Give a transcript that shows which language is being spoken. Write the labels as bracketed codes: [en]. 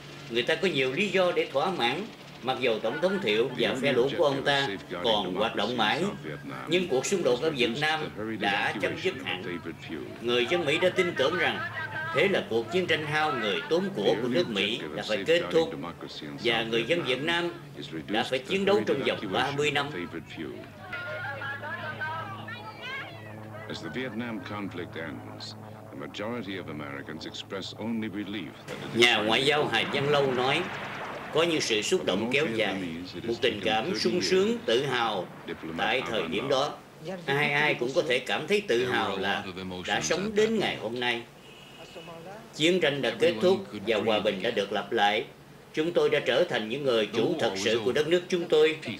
[vi] Người ta có nhiều lý do để thỏa mãn, mặc dù Tổng thống Thiệu và phe lũ của ông ta còn hoạt động mãi, nhưng cuộc xung đột ở Việt Nam đã chấm dứt hẳn. Người dân Mỹ đã tin tưởng rằng, thế là cuộc chiến tranh hao người tốn của nước Mỹ đã phải kết thúc, và người dân Việt Nam đã phải chiến đấu trong vòng 30 năm. [en] As the Vietnam conflict ends, the majority of Americans express only relief that it is. [vi] Nhà ngoại giao Hà Văn Lâu nói, có những sự xúc động kéo dài, một tình cảm sung sướng, tự hào tại thời điểm đó. Ai ai cũng có thể cảm thấy tự hào là đã sống đến ngày hôm nay. Chiến tranh đã kết thúc và hòa bình đã được lập lại. Chúng tôi đã trở thành những người chủ thật sự của đất nước chúng tôi.